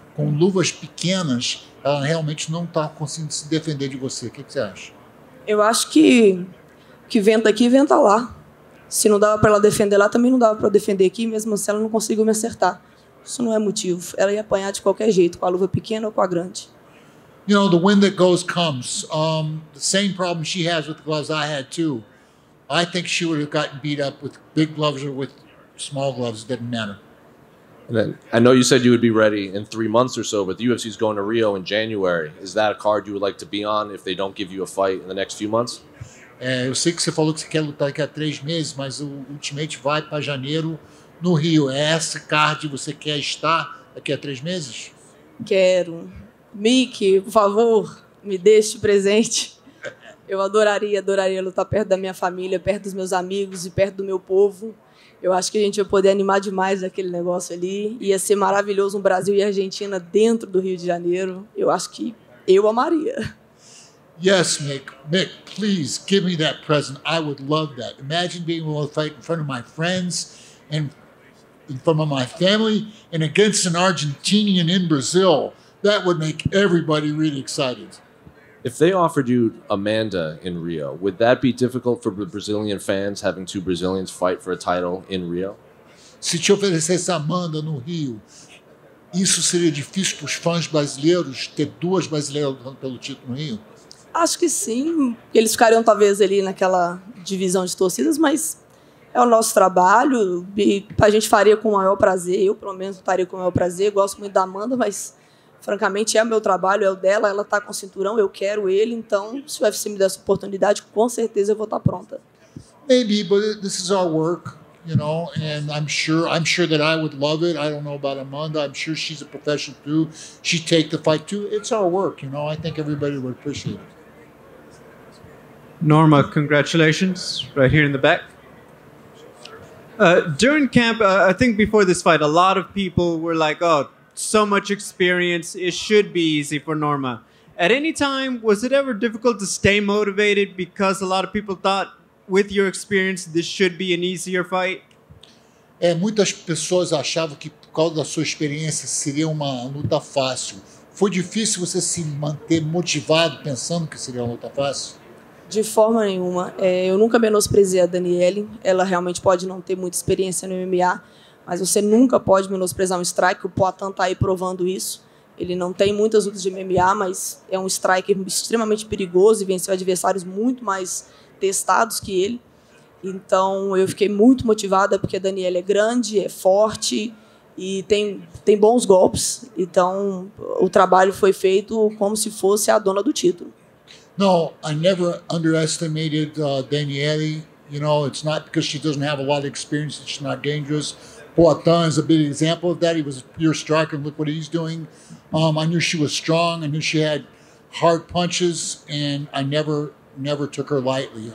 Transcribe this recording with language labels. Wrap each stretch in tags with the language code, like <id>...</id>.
<pt>Com luvas pequenas, ela realmente não está conseguindo se defender de você. O que você acha? Eu acho que venta aqui, venta lá. Se não dava para ela defender lá, também não dava para defender aqui, mesmo assim ela não conseguiu me acertar. Isso não é motivo. Ela ia apanhar de qualquer jeito, com a luva pequena ou com a grande.</pt> <en>You know, the wind that goes comes. The same problem she has with the gloves I had too. I think she would have gotten beat up with big gloves or with small gloves. It didn't matter. And then, I know you said you would be ready in 3 months or so, but the UFC is going to Rio in January. Is that a card you would like to be on if they don't give you a fight in the next few months?</en> <pt>Eu sei que você falou que você quer lutar daqui a 3 meses, mas o Ultimate vai para janeiro no Rio. É essa card que você quer estar daqui a 3 meses? Quero. Mickey, por favor, me deixe presente. Eu adoraria lutar perto da minha família, perto dos meus amigos e perto do meu povo. Eu acho que a gente ia poder animar demais aquele negócio ali. Ia ser maravilhoso um Brasil e Argentina dentro do Rio de Janeiro. Eu acho que eu amaria.</pt> <en>Yes, Mick. Mick, please give me that present. I would love that. Imagine being able to fight in front of my friends and in front of my family and against an Argentinian in Brazil. That would make everybody really excited. If they offered you Amanda in Rio, would that be difficult for the Brazilian fans having two Brazilians fight for a title in Rio?</en> <pt>Se te oferecesse Amanda no Rio, isso seria difícil para os fãs brasileiros ter duas brasileiras lutando pelo título no Rio? Acho que sim. Eles ficariam talvez ali naquela divisão de torcidas, mas é o nosso trabalho. E a gente faria com o maior prazer. Eu, pelo menos, faria com o maior prazer. Gosto muito da Amanda, mas, francamente, é o meu trabalho, é o dela. Ela está com o cinturão, eu quero ele. Então, se o UFC me der essa oportunidade, com certeza eu vou estar pronta.</pt> <en>Maybe, but this is our work, you know, and I'm sure that I would love it. I don't know about Amanda. I'm sure she's a professional too. She'd take the fight too. It's our work, you know. I think everybody would appreciate it. Norma, congratulations, right here in the back. During camp, I think before this fight, a lot of people were like, oh, so much experience. It should be easy for Norma. At any time, was it ever difficult to stay motivated because a lot of people thought, with your experience, this should be an easier fight?</en> <pt>É, muitas pessoas achavam que por causa da sua experiência seria uma luta fácil. Foi difícil você se manter motivado pensando que seria uma luta fácil? De forma nenhuma. É, eu nunca menosprezei a Danyelle. Ela realmente pode não ter muita experiência no MMA, mas você nunca pode menosprezar um striker. O Poatan está aí provando isso. Ele não tem muitas lutas de MMA, mas é um striker extremamente perigoso e venceu adversários muito mais testados que ele. Então eu fiquei muito motivada, porque a Danyelle é grande, é forte e tem bons golpes. Então o trabalho foi feito como se fosse a dona do título.</pt> <en>No, I never underestimated Danyelle. You know, it's not because she doesn't have a lot of experience that she's not dangerous. Poatan is a big example of that. He was a pure striker, look what he's doing. I knew she was strong, I knew she had hard punches, and I never took her lightly.</en>